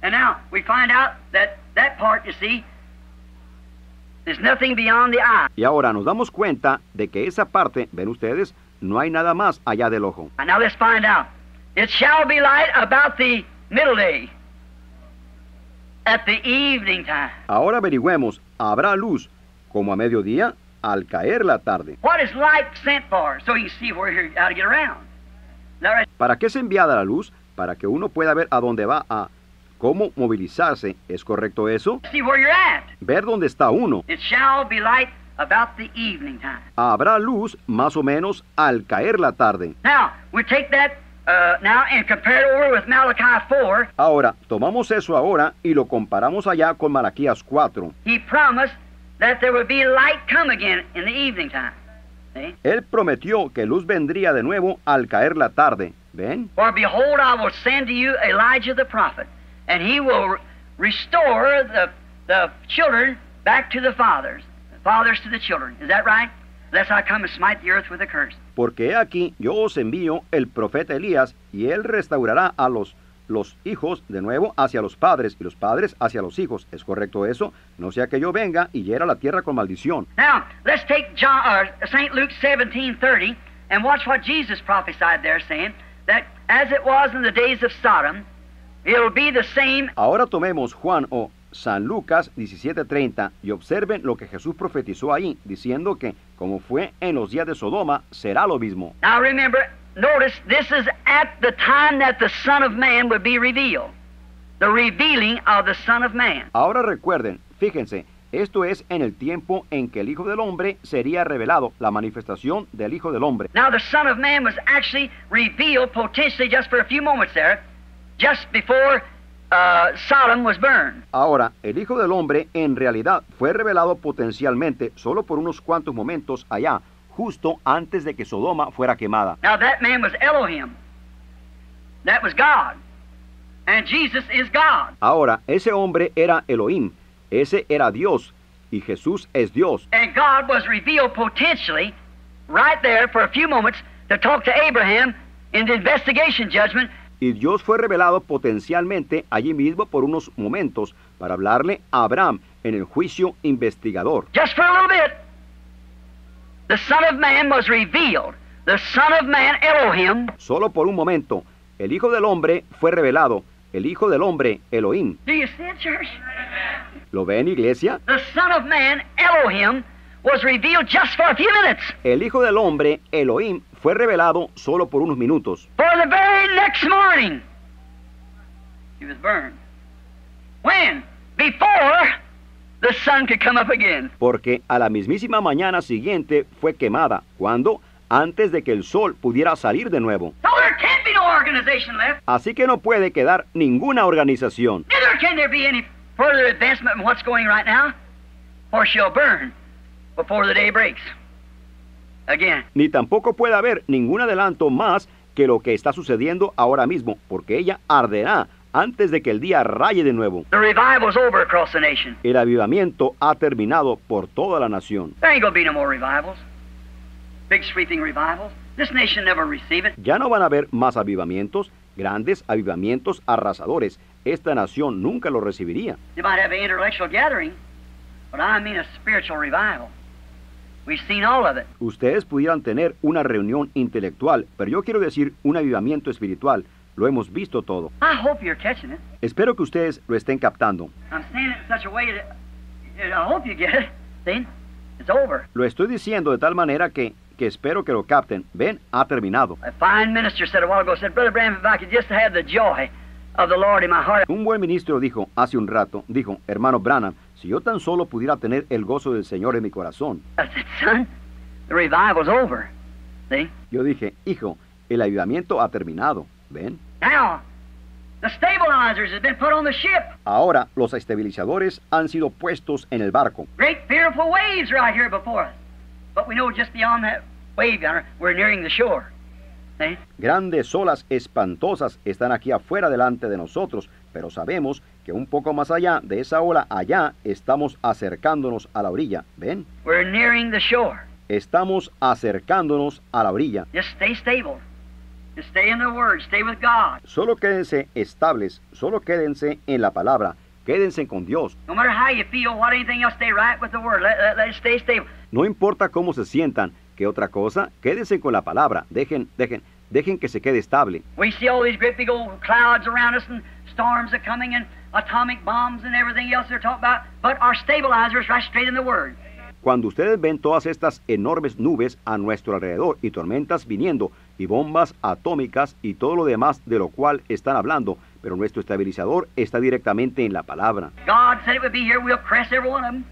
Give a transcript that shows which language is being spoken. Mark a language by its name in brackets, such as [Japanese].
[English] And now we find out that part, you see, there's nothing beyond the eye. [Spanish] Y ahora nos damos cuenta de que esa parte, ven ustedes, no hay nada más allá del ojo. [English] And now let's find out. It shall be light about the middle day, at the evening time. [Spanish] Ahora averigüemos, habrá luz como a mediodía, al caer la tarde. [English] What is light sent for? So you see where you're how to get around. Right. [Spanish] ¿Para qué es enviada la luz? Para que uno pueda ver a dónde va, a cómo movilizarse. ¿Es correcto eso? [English] See where you're at. [Spanish] Ver dónde está uno. [English] It shall be light about the evening time. [Spanish] Habrá luz más o menos al caer la tarde. [English] Now, we take that now and compare it over with Malachi 4. [Spanish] Ahora, tomamos eso ahora y lo comparamos allá con Malaquías 4. [English] He promised that there would be light come again in the evening time. See? [Spanish] Él prometió que luz vendría de nuevo al caer la tarde. ¿Ven? [English] For behold, I will send to you Elijah the prophet, and he will restore the children back to the fathers, fathers to the children. Is that right? Lest I come and smite the earth with a curse. [Spanish] Porque aquí yo os envío el profeta Elías, y él restaurará a los hijos de nuevo hacia los padres y los padres hacia los hijos. ¿Es correcto eso? No sea que yo venga y hiera la tierra con maldición. [English] Now, let's take St. Luke 17:30 and watch what Jesus prophesied there, saying that as it was in the days of Sodom, it will be the same. [Spanish] Ahora tomemos Juan o San Lucas 17:30 y observen lo que Jesús profetizó ahí, diciendo que como fue en los días de Sodoma, será lo mismo. [English] Now remember, notice this is at the time that the Son of Man would be revealed. The revealing of the Son of Man. [Spanish] Ahora recuerden, fíjense, esto es en el tiempo en que el Hijo del Hombre sería revelado, la manifestación del Hijo del Hombre. [English] Now the Son of Man was actually revealed potentially just for a few moments there, just before Sodom was burned. [Spanish] Ahora, el Hijo del Hombre en realidad fue revelado potencialmente solo por unos cuantos momentos allá, justo antes de que Sodoma fuera quemada. [English] Now that man was Elohim. That was God. And Jesus is God. [Spanish] Ahora, ese hombre era Elohim. Ese era Dios. Y Jesús es Dios. [English] And God was revealed potentially right there for a few moments to talk to Abraham in the investigation judgment. [Spanish] Y Dios fue revelado potencialmente allí mismo por unos momentos para hablarle a Abraham en el juicio investigador. [English] Just for a little bit. The Son of Man was revealed. The Son of Man, Elohim. [Spanish] Solo por un momento. El Hijo del Hombre fue revelado. El Hijo del Hombre, Elohim. [English] Do you see it, church? [Spanish] ¿Lo ven, iglesia? [English] The Son of Man, Elohim, was revealed just for a few minutes. [Spanish] El Hijo del Hombre, Elohim, fue revelado solo por unos minutos. [English] For the very next morning, he was burned. When? Before the sun could come up again. [Spanish] Porque a la mismísima mañana siguiente fue quemada. ¿Cuándo? Antes de que el sol pudiera salir de nuevo. [English] So there can't be no organization left. [Spanish] Así que no puede quedar ninguna organización. [English] Neither can there be any further advancement in what's going right now, or she'll burn before the day breaks. Again. [Spanish] Ni tampoco puede haber ningún adelanto más que lo que está sucediendo ahora mismo, porque ella arderá antes de que el día raye de nuevo. [English] The revival's over across the nation. [Spanish] El avivamiento ha terminado por toda la nación. [English] There ain't gonna be no more revivals. Big sweeping revivals. This nation never received it. [Spanish] Ya no van a haber más avivamientos, grandes avivamientos arrasadores. Esta nación nunca lo recibiría. [English] They might have an intellectual gathering, but I mean a spiritual revival. We've seen all of it. [Spanish] Ustedes pudieran tener una reunión intelectual, pero yo quiero decir un avivamiento espiritual. Lo hemos visto todo. [English] I hope you're catching it. [Spanish] Espero que ustedes lo estén captando. [English] I'm saying it in such a way that I hope you get it. See? It's over. [Spanish] Lo estoy diciendo de tal manera que espero que lo capten. Ven, ha terminado. [English] A fine minister said a while ago, said, Brother Branham, if I could just have the joy of the Lord in my heart. [Spanish] Un buen ministro dijo hace un rato, dijo, hermano Branham, si yo tan solo pudiera tener el gozo del Señor en mi corazón. [English] Son, the revival's over. See? [Spanish] Yo dije, hijo, el avivamiento ha terminado. Ven. [English] Now, the stabilizers have been put on the ship. [Spanish] Ahora, los estabilizadores han sido puestos en el barco. [English] Great fearful waves right here before us. But we know just beyond that wave, we're nearing the shore. See? [Spanish] Grandes olas espantosas están aquí afuera delante de nosotros, pero sabemos que un poco más allá de esa ola, allá, estamos acercándonos a la orilla. ¿Ven? [English] We're nearing the shore. [Spanish] Estamos acercándonos a la orilla. [English] Just stay stable. Just stay in the Word. Stay with God. [Spanish] Solo quédense estables. Solo quédense en la palabra. Quédense con Dios. [English] No matter how you feel, what anything else, stay right with the Word. Let stay stable. [Spanish] No importa cómo se sientan, qué otra cosa, quédense con la palabra. Dejen que se quede estable. [English] We see all these great big old clouds around us and storms are coming and atomic bombs and everything else they're talking about, but our stabilizers right straight in the Word. [Spanish] Cuando ustedes ven todas estas enormes nubes a nuestro alrededor y tormentas viniendo y bombas atómicas y todo lo demás de lo cual están hablando, pero nuestro estabilizador está directamente en la palabra. [English] God said it would be here. We'll crest every one of them.